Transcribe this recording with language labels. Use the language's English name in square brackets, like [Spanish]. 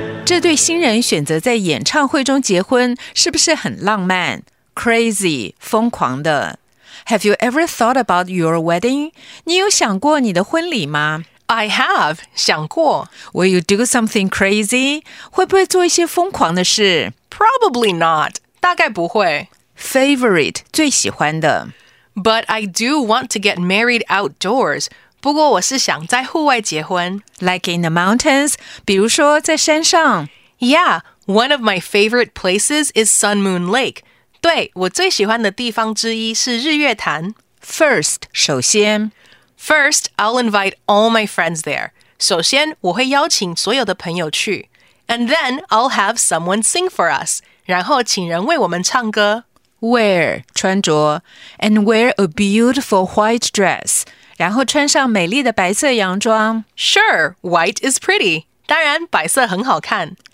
[Chinese] 这对新人选择在演唱会中结婚，是不是很浪漫 ？Crazy， 疯狂的。 [English] Have you ever thought about your wedding？ [Chinese] 你有想过你的婚礼吗 [English] ？I have， [Chinese] 想过。 [English] Will you do something crazy？ [Chinese] 会不会做一些疯狂的事 [English] ？Probably not， [Chinese] 大概不会。 Favorite， 最喜欢的。 [English] But I do want to get married outdoors. [Chinese] 不过我是想在户外结婚。 [English] Like in the mountains, [Chinese] 比如说在山上。 [English] Yeah, one of my favorite places is Sun Moon Lake. [Chinese] 对，我最喜欢的地方之一是日月潭。 [English] First, 首先。 First, I'll invite all my friends there. [Chinese] 首先，我会邀请所有的朋友去。 [English] And then, I'll have someone sing for us. [Chinese] 然后请人为我们唱歌。 [English] Wear, 穿着 and wear a beautiful white dress, [Chinese] 然后穿上美丽的白色洋装。 [English] Sure, white is pretty. [Chinese] 当然白色很好看。